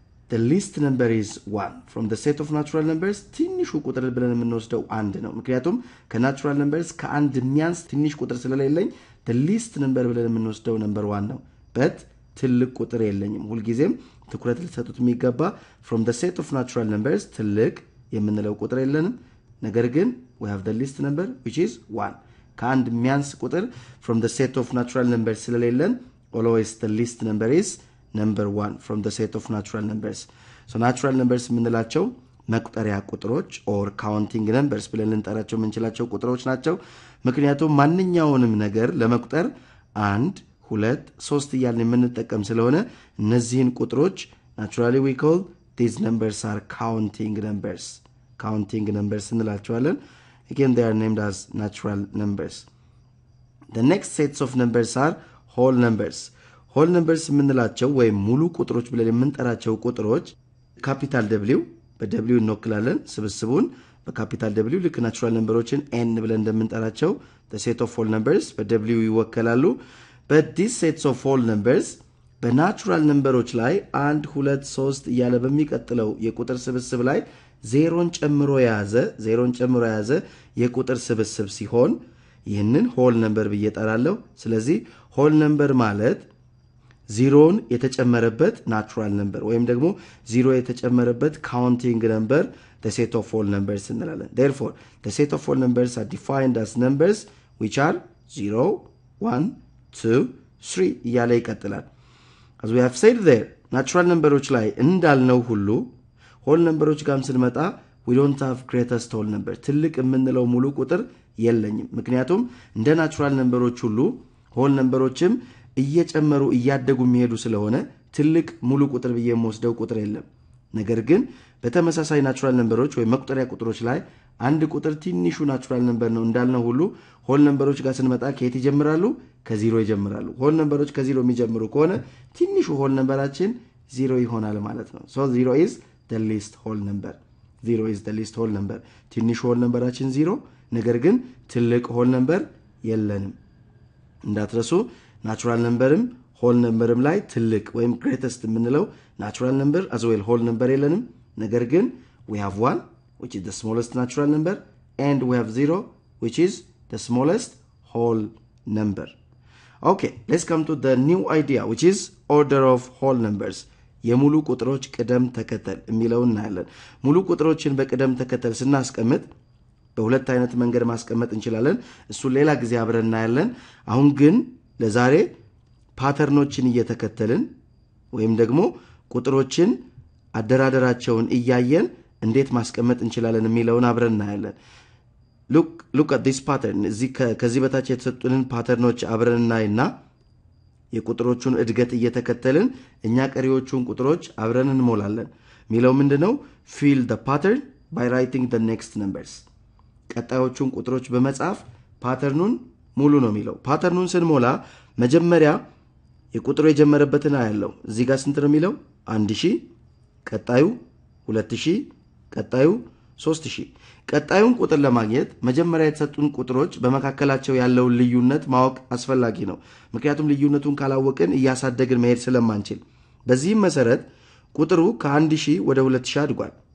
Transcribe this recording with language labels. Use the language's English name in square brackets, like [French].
[English] the least number is 1 from the set of natural numbers [Amharic] ትንሹ ቁጥር ብለን የምንወስደው 1 ነው ምክንያቱም ከnatural numbers ከአንድ የሚያንስ ትንሽ ቁጥር ስለሌለኝ the least number ብለን የምንወስደው number 1 ነው። But ትልቅ ቁጥር የለኝም ሁልጊዜም ትኩረት ልሰጡት የሚገባ [English] from the set of natural numbers [Amharic] ትልቅ የምንለው ቁጥር የለንም ነገር ግን [English] we have the least number which is 1 [Amharic] ከአንድ የሚያንስ ቁጥር [English] from the set of natural numbers [Amharic] ስለሌለን [English] always the least number is number 1 from the set of natural numbers. [Amharic] So natural numbers ምንላቸው መቁጠሪያ ቁጥሮች [English] or counting numbers [Amharic] ብለን እንጠራቸው ምንችላቸው ቁጥሮች ናቸው ምክንያቱም ማንኛውንም ነገር ለመቁጠር 1 2 3 ይያልን የምንጠቀም ስለሆነ እነዚህን ቁጥሮች [English] naturally we call these numbers are counting numbers. Counting numbers [Amharic] እንላቸዋለን. [English] Again they are named as natural numbers. The next sets of numbers are whole numbers. [Amharic] whole numbers ምንላቸው ወይ ሙሉ ቁጥሮች ብለን የምንጠራቸው ቁጥሮች capital W በW እንወክላለን ስብስቡን በcapital W ልክ natural numbersን N ብለን እንደምንጠራቸው [English] the set of whole numbers [Amharic] በW ይወከላሉ [English] but these sets of whole numbers [Amharic] በnatural numbersዎች ላይ 1 2 3 ያለ በሚቀጥለው የቁጥር ስብስብ ላይ 0ን ጨምሮ ያዘ 0ን ጨምሮ ያዘ የቁጥር ስብስብ ሲሆን ይሄንን whole number በየጠራለው ስለዚህ whole number ማለት 0ን የተጨመረበት natural number ወይም ደግሞ 0 የተጨመረበት counting number [English] the set of whole numbers [Amharic] እንላለን. [English] Therefore the set of whole numbers are defined as numbers which are 0 1 2 3 [Amharic] ያለ ይቀጥላል. [English] As we have said there [Amharic] natural numbersዎች ላይ እንዳልነው ሁሉ whole numbersዎች ጋር ስንመጣ [English] we don't have greatest whole number [Amharic] ትልቅ የምንለው ሙሉ ቁጥር የለኝም ምክንያቱም እንደ natural numbersዎች ሁሉ whole numbersዎችም እየጨመሩ እያደጉ የሚሄዱ ስለሆነ ትልቅ ሙሉ ቁጥር በየመስደው ቁጥር የለም ነገር ግን በተመሳሳይ natural numbersዎች ወይ መቁጠሪያ ቁጥሮች ላይ አንድ ቁጥር ትንሹ natural number ነው እንዳልነው ሁሉ whole numbersዎች ጋር ስንመጣ ከየት ይጀምራሉ ከዜሮ ይጀምራሉ whole numbersዎች ከዜሮ የሚጀምሩ ከሆነ ትንሹ whole numberአችን 0 ይሆናል ማለት ነው. [English] So 0 is the least whole number. 0 is the least whole number. [Amharic] ትንሹ whole numberአችን 0 ነገር ግን ትልቅ whole number የለንም እንዳትረሱ natural numberም whole numberm ላይ ትልቅ ወይም greatest የምንለው natural number as well whole number የለንም ነገር ግን [English] we have 1 which is the smallest natural number and we have 0 which is the smallest whole number. Okay, let's come to the new idea which is order of whole numbers. [Amharic] የሙሉ ቁጥሮች ቅደም ተከተል የሚለው እናያለን። ሙሉ ቁጥሮችን በቅደም ተከተል ስናስቀምጥ በሁለት አይነት መንገድ ማስቀመጥ እንችላለን እሱ ሌላ ጊዜ አብረን እናያለን። አሁን ግን ለዛሬ ፓተርኖችን እየተከተልን ወይም ደግሞ ቁጥሮችን አደራደራቸውን እያየን እንዴት ማስቀመጥ እንችላለን የሚለውን አብረን እናያለን። [English] look at this pattern. [Amharic] እዚህ ከዚህ በታች የተሰጡንን ፓተርኖች አብረን እናይና የቁጥሮቹን እድገት እየተከተልን እኛ ቀሪዎቹን ቁጥሮች አብረን እንሞላለን። ሚለው ምንድነው? [English] Fill the pattern by writing the next numbers. [Amharic] ቀጣዮቹን ቁጥሮች በመጻፍ ፓተርኑን ሙሉ ነው የሚለው። ፓተርኑን ስንሞላ መጀመሪያ የቁጥሩ የጀመረበትን አያለው። እዚህ ጋር ስንት ነው የሚለው? 1000 ቀጣዩ 2000 ቀጣዩ 3000 ቀጣዩን ቁጥር ለማግኘት መጀመሪያ የተሰጡን ቁጥሮች በመካከላቸው ያለው ልዩነት ማወቅ አስፈላጊ ነው። ምክንያቱም ልዩነቱን ካላወቀን ያሳደግን መሄድ ስለማንችል። በዚህም መሰረት ቁጥሩ ከ1000 ወደ 2000 አድጓል።